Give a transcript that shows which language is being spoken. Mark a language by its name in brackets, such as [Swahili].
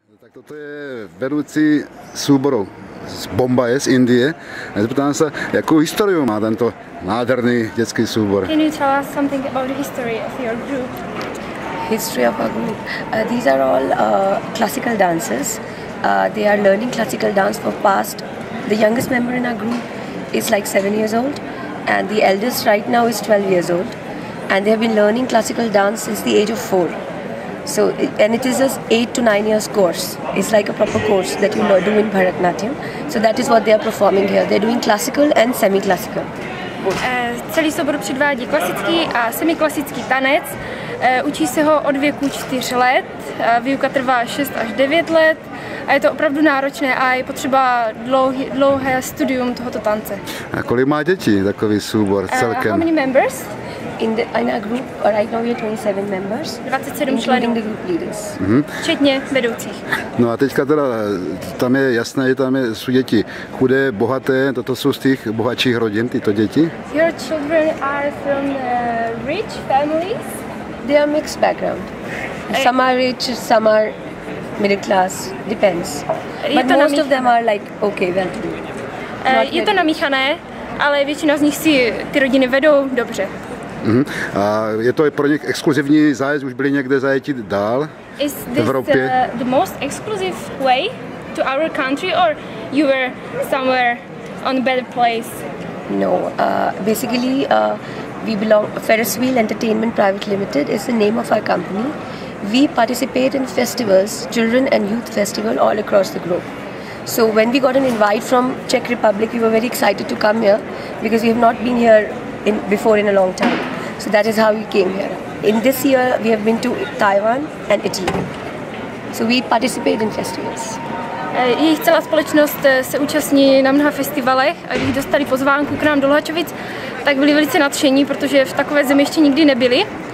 [Czech] Tak toto je vedoucí souboru z Bombaje z Indie. Zeptám se, jakou historii má tento nádherný dětský soubor? [English] Can you tell us something about the history of your group? History of our group. These are all classical dancers. They are learning classical dance for past. The youngest member in our group is like 7 years old and the eldest right now is 12 years old. And they have been learning classical dance since the age of 4. So, and it is an 8 to 9 years course. It's like a proper course that you do in Bharatanatyam. So that is what they are performing here. They're doing classical and semi-classical. [Czech] Celý soubor předvádí klasický a semi-klasický tanec. Učí se ho od věku 4 let. Výuka trvá 6 až 9 let. A je to opravdu náročné a je potřeba dlouhé studium tohoto tance. A kolik má děti takový soubor celkem? [English] How many members? In our group right now we have 27 members. [Czech] 27 členů. [English] Including the group leaders. [Czech] Mm-hmm. Včetně vedoucích. No a teďka teda tam je jasné, že tam jsou děti chudé, bohaté, toto jsou z těch bohatších rodin, tyto děti? [English] Your children are from rich families? They are mixed background. Some are rich, some are middle class, depends. [Czech] Je [English] but most of them are like, okay, well to do. [Czech] Je to namíchané, ale většina z nich si ty rodiny vedou dobře. Mm-hmm. A je to pro něk exkluzivní zájezd, už byli někde zajetí dál [English] is this [Czech] v Evropě? [English] The most exclusive way to our country or you were somewhere on a better place? No, basically we belong, Ferris Wheel Entertainment Private Limited is the name of our company. We participate in festivals, children and youth festival all across the globe. So when we got an invite from Czech Republic, we were very excited to come here because we have not been here before in a long time. So that is how we came here. In this year, we have been to Taiwan and Italy. So we participate in festivals. [Czech] Jejich celá společnost se účastní na mnoha festivalech a když dostali pozvánku k nám do Luhačovic, tak byli velice nadšení, protože v takové zemi ještě nikdy nebyli.